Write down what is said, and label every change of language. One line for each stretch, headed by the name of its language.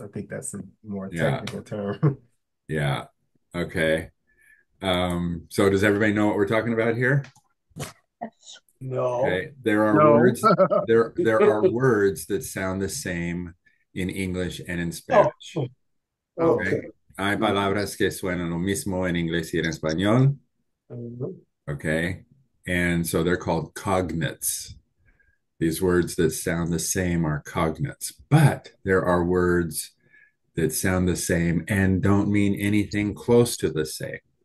English: I think that's a more technical term. Okay. So does everybody know what we're talking about here? No, Okay, there are no. words, there are words that sound the same in English and in Spanish. Okay.
Spanish: Okay, hay palabras que suenan lo mismo en inglés y en español.
English: Okay, and so they're called cognates. These words that sound the same are cognates, but there are words that sound the same and don't mean anything close to the same.